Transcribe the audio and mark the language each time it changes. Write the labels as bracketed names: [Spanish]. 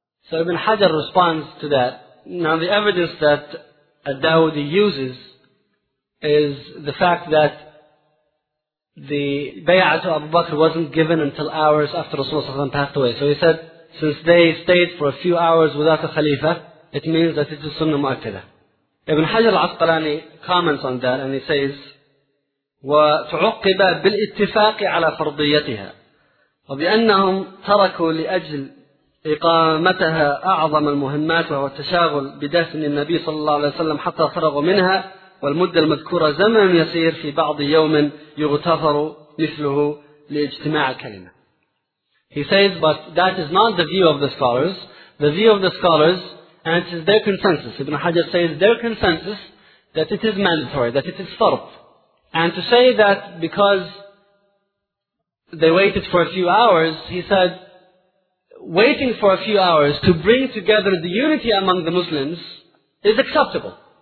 [English] So Ibn Hajar responds to that. Now the evidence that Dawudi uses is the fact that the bay'ah to Abu Bakr wasn't given until hours after Rasulullah passed away. So he said, since they stayed for a few hours without a khalifa, it means that it is sunnah mu'akkada. Ibn Hajar al-Asqalani comments on that and he says, [Arabic] وَتُعُقِّبَ بِالْإِتِّفَاقِ عَلَى فَرْضِيَّتِهَا وَبِأَنَّهُمْ تَرَكُوا لِأَجْلِ إقامتها أعظم المهمات وهو التشاغل بدفن النبي صلى الله عليه وسلم حتى فرغوا منها والمدة المذكورة زمن يسير في بعض يوم يغتفر مثله لاجتماع الكلمة. [English] He says, but that is not the view of the scholars. The view of the scholars, and it is their consensus. Ibn Hajar says their consensus that it is mandatory, that it is farḍ. And to say that because they waited for a few hours, he said, waiting for a few hours to bring together the unity among the Muslims is acceptable.